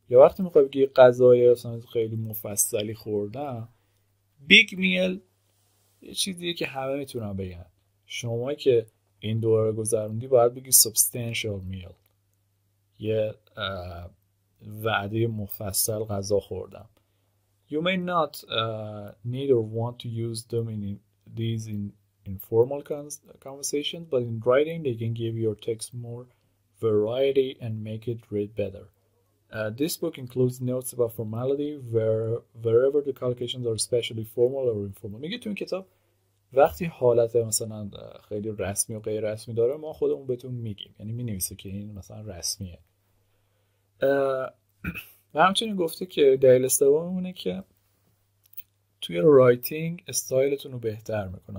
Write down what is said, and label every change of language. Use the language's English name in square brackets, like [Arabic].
[Persian] یا وقتی میخواد بگی غذای مثلا خیلی مفصلی خوردن، big meal یه چیزیه که همه میتونن بگن. شما که این دوره رو گذروندی باید بگی substantial meal، یه وعده مفصل غذا خوردم. [English] You may not need or want to use them in these in informal conversations but in writing they can give your text more variety and make it read better. This book includes notes about formality wherever the collocations are especially formal or informal. [Persian] میگه تو این کتاب وقتی حالت مثلا خیلی رسمی و غیر رسمی داره ما خودمون بهتون میگیم، یعنی می نویسه که این مثلا رسمیه. و همچنین گفته که دلیل سوم اونه که توی رایتینگ استایلتون رو بهتر میکنه.